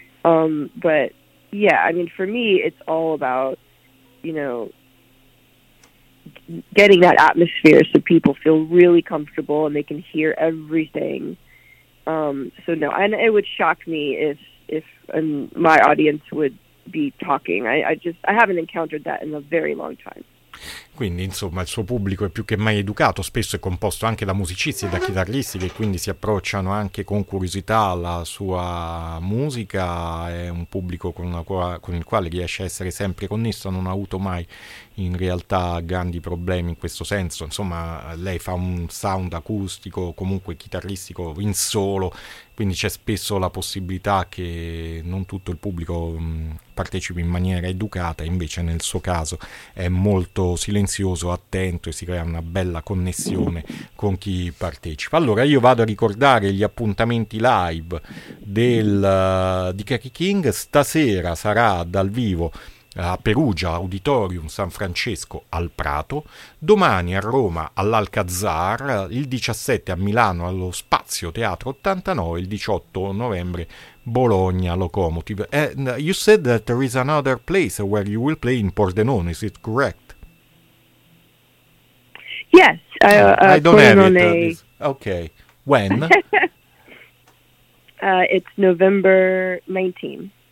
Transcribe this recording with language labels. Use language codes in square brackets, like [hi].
[en] But, yeah, I mean, for me, it's all about, you know, getting that atmosphere so people feel really comfortable and they can hear everything. So no, and it would shock me if my audience would be talking. I haven't encountered that in a very long time. [it] Quindi insomma il suo pubblico è più che mai educato, spesso è composto anche da musicisti e da chitarristi che quindi si approcciano anche con curiosità alla sua musica, è un pubblico con il quale riesce a essere sempre connesso, non ha avuto mai in realtà grandi problemi in questo senso. Insomma lei fa un sound acustico, comunque chitarristico in solo, quindi c'è spesso la possibilità che non tutto il pubblico partecipi in maniera educata, invece nel suo caso è molto silenzioso, attento e si crea una bella connessione con chi partecipa. Allora io vado a ricordare gli appuntamenti live di Kaki King. Stasera sarà dal vivo a Perugia, Auditorium San Francesco al Prato, domani a Roma all'Alcazar, il 17 a Milano allo Spazio Teatro 89, il 18 novembre Bologna Locomotive. [en] And you said that there is another place where you will play in Pordenone, is it correct? Yes, I don't have Pordenone. It. Okay, when? It's November 19th.